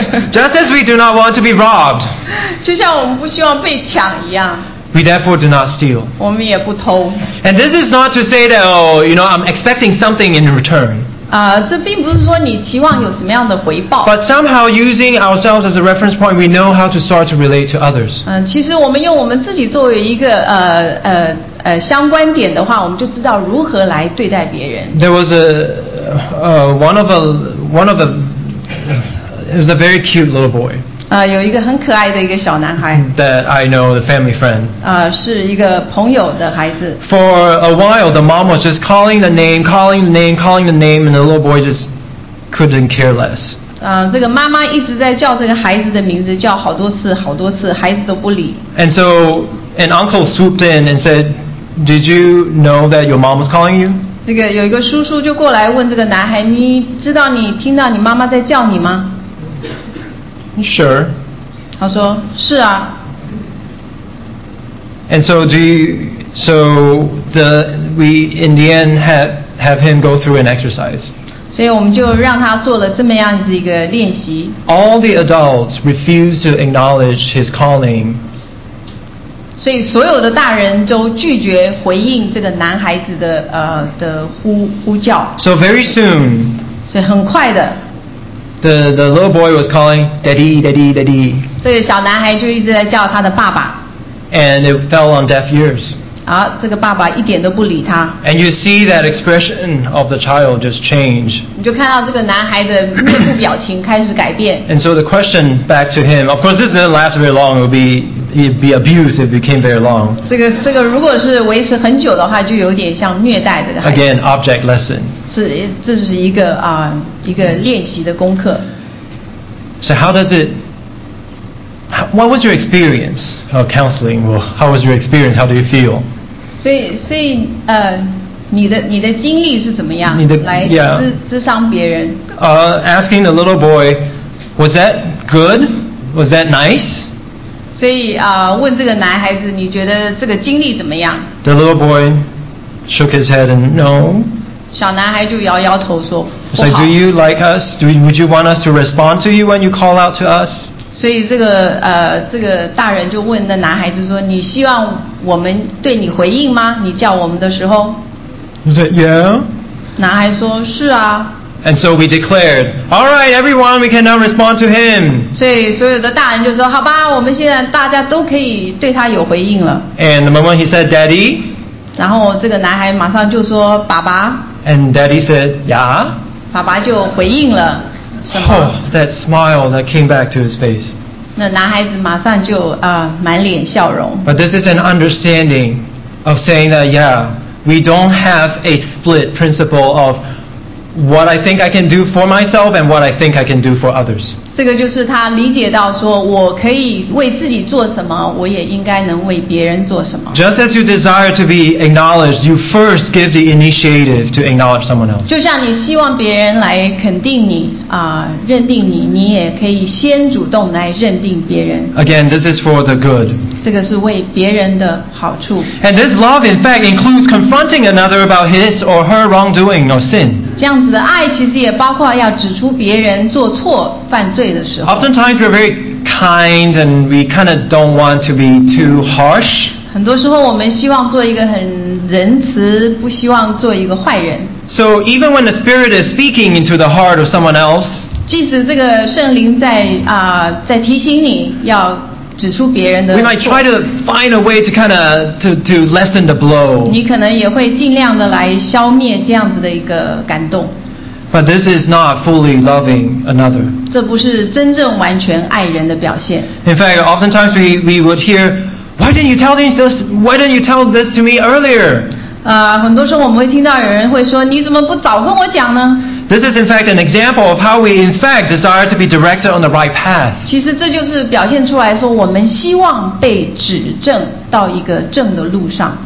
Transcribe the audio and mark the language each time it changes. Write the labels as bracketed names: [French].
[English] Just as we do not want to be robbed, [Chinese] 就像我们不希望被抢一样, [English] we therefore do not steal. [Chinese] 我们也不偷。 [English] And this is not to say that, oh, you know, I'm expecting something in return. [Chinese] 这并不是说你期望有什么样的回报。 [English] But somehow using ourselves as a reference point, we know how to start to relate to others. [Chinese] 其实我们用我们自己作为一个相关点的话，我们就知道如何来对待别人。 [English] There was it was a very cute little boy. [Chinese] 有一个很可爱的一个小男孩。 [English] That I know, the family friend. [Chinese] 是一个朋友的孩子。 [English] For a while, the mom was just calling the name, calling the name, calling the name, and the little boy just couldn't care less. [Chinese] 这个妈妈一直在叫这个孩子的名字，叫好多次，好多次，孩子都不理。 [English] And so an uncle swooped in and said. Did you know that your mom was calling you? [Chinese] 这个有一个叔叔就过来问这个男孩，你知道你听到你妈妈在叫你吗？ [English] Sure. [Chinese] 他说是啊。 [English] And so we in the end have him go through an exercise. [Chinese] 所以我们就让他做了这么样子一个练习。 [English] All the adults refused to acknowledge his calling. [Chinese] 所以所有的大人都拒绝回应这个男孩子的呼叫。 [English] So very soon. [Chinese] 所以很快的。 [English] The little boy was calling daddy, daddy, daddy. [Chinese] 这个小男孩就一直在叫他的爸爸。 [English] And it fell on deaf ears. [Chinese] 这个爸爸一点都不理他。 [English] And you see that expression of the child just change. [Chinese] 你就看到这个男孩的面部表情开始改变。 [English] And so the question back to him, of course, this didn't last very long. It'd be abuse if it became very long. [Chinese] 这个如果是维持很久的话，就有点像虐待这个孩子。 [English] Again, object lesson. [Chinese] 这是一个一个练习的功课。 [English] So how does it? What was your experience of counseling? Well, how was your experience? How do you feel? [Chinese] 所以你的经历是怎么样？你的来咨商别人。 [English] Asking the little boy, was that good? Was that nice? [Chinese] 所以问这个男孩子，你觉得这个经历怎么样？ [English] The little boy shook his head and no. [Chinese] 小男孩就摇摇头说不好。 [English] So do you like us? Would you want us to respond to you when you call out to us? [Chinese] 所以这个大人就问那男孩子说，你希望我们对你回应吗？你叫我们的时候。 [English] He said yeah. [Chinese] 男孩说是啊。 [English] And so we declared, "All right, everyone, we can now respond to him." [Chinese] 所以所有的大人就说，好吧，我们现在大家都可以对他有回应了。 [English] And the moment he said, "Daddy," [Chinese] 然后这个男孩马上就说，爸爸。 [English] And Daddy said, "Yeah." [Chinese] 爸爸就回应了。 [English] Oh, that smile that came back to his face. [Chinese] 那男孩子马上就满脸笑容。 [English] But this is an understanding of saying that, yeah, we don't have a split principle of. what I think I can do for myself and what I think I can do for others. [Chinese] 这个就是他理解到说我可以为自己做什么，我也应该能为别人做什么。 [English] Just as you desire to be acknowledged, you first give the initiative to acknowledge someone else. [Chinese] 就像你希望别人来肯定你、认定你，你也可以先主动来认定别人。 [English] Again, this is for the good. [Chinese] 这个是为别人的好处。 [English] And this love, in fact, includes confronting another about his or her wrongdoing or sin. [Chinese] 这样子的爱其实也包括要指出别人做错犯罪的时候。 [English] Oftentimes we're very kind and we kind of don't want to be too harsh. [Chinese] 很多时候我们希望做一个很仁慈，不希望做一个坏人。 [English] So even when the Spirit is speaking into the heart of someone else, [Chinese] 即使这个圣灵在、在提醒你要指出别人的 [English] We might try to find a way to kind of to lessen the blow. [Chinese] 你可能也会尽量的来消灭这样子的一个感动。 [English] But this is not fully loving another. [Chinese] 这不是真正完全爱人的表现。 [English] In fact, oftentimes we would hear, why didn't you tell this to me earlier? [Chinese] 很多时候我们会听到有人会说，你怎么不早跟我讲呢？ [English] This is in fact an example of how we in fact desire to be directed on the right path. [Chinese] 其实这就是表现出来说我们希望被指正到一个正的路上。